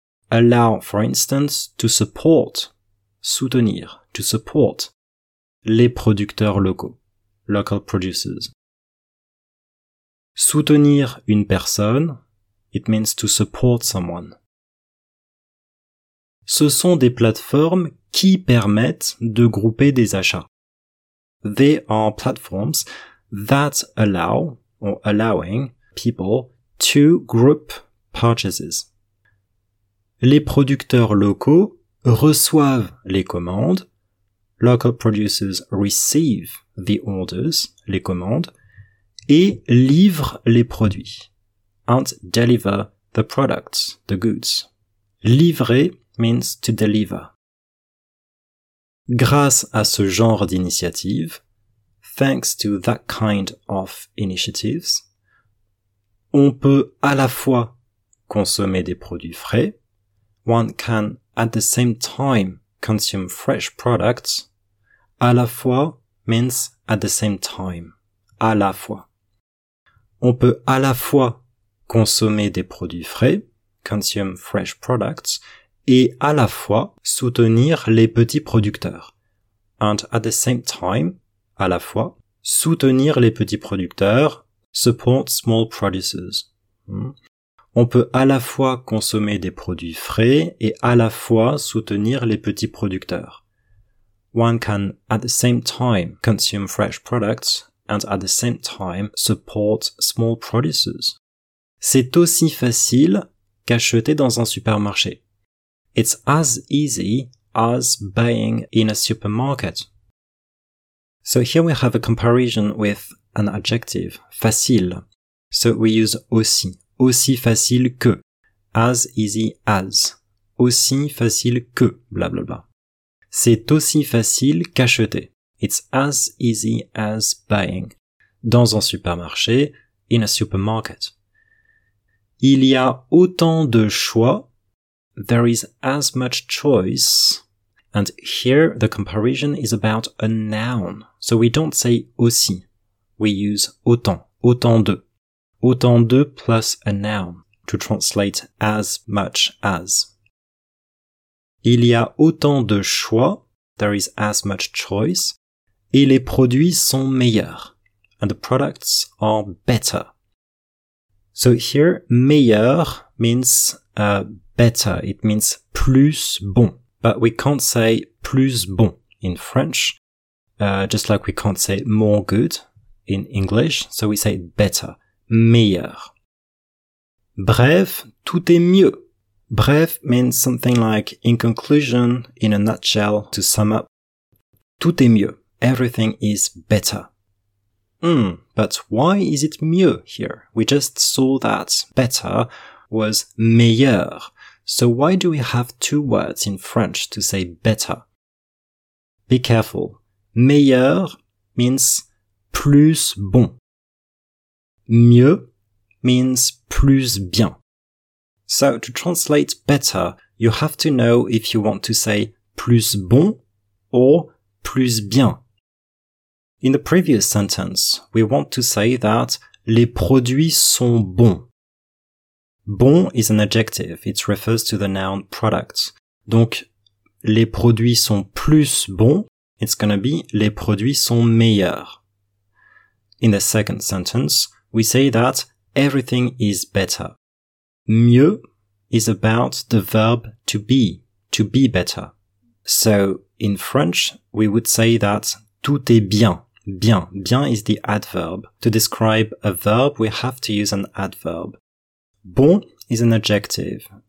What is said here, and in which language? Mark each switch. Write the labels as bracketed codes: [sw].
[en] Allow, for instance, to support, soutenir, to support [fr] les producteurs locaux, [en] local producers. [fr] Soutenir une personne, [en] it means to support someone. [fr] Ce sont des plateformes qui permettent de grouper des achats. [en] They are platforms that allow, or allowing, people to group purchases. [fr] Les producteurs locaux reçoivent les commandes. [en] Local producers receive the orders, [fr] les commandes, et livrent les produits. [en] And deliver the products, the goods. Livrer means to deliver. [fr] Grâce à ce genre d'initiative, [en] thanks to that kind of initiatives, [fr] on peut à la fois consommer des produits frais, [en] one can at the same time consume fresh products, [fr] à la fois [en] means at the same time, [fr] à la fois. On peut à la fois consommer des produits frais, [en] consume fresh products, [fr] et à la fois soutenir les petits producteurs. [en] And at the same time, à la fois, [fr] soutenir les petits producteurs, [en] support small producers. [fr] On peut à la fois consommer des produits frais et à la fois soutenir les petits producteurs. [en] One can at the same time consume fresh products and at the same time support small producers. [fr] C'est aussi facile qu'acheter dans un supermarché. [en] It's as easy as buying in a supermarket. So here we have a comparison with an adjective, facile. So we use [fr] aussi, aussi facile que, [en] as easy as, [fr] aussi facile que, blablabla. C'est aussi facile qu'acheter. [en] It's as easy as buying. [fr] Dans un supermarché, [en] in a supermarket. [fr] Il y a autant de choix. [en] There is as much choice. And here the comparison is about a noun. So we don't say aussi. We use autant, autant de. Autant de plus a noun to translate as much as. [fr] Il y a autant de choix. [en] There is as much choice. [fr] Et les produits sont meilleurs. [en] And the products are better. So here, meilleur means better. It means plus bon. But we can't say plus bon in French, just like we can't say more good in English. So we say better, meilleur. [fr] Bref, tout est mieux. [en] Bref means something like in conclusion, in a nutshell, to sum up. [fr] Tout est mieux. [en] Everything is better. But why is it mieux here? We just saw that better was meilleur. So why do we have two words in French to say better? Be careful. Meilleur means plus bon. Mieux means plus bien. So to translate better, you have to know if you want to say plus bon or plus bien. In the previous sentence, we want to say that [fr] les produits sont bons. [en] Bon is an adjective. It refers to the noun product. [fr] Donc, les produits sont plus bons. [en] It's gonna be [fr] les produits sont meilleurs. [en] In the second sentence, we say that everything is better. Mieux is about the verb to be better. So, in French, we would say that [fr] tout est bien. [en] Bien. Bien is the adverb. To describe a verb, we have to use an adverb. Bon is an adjective.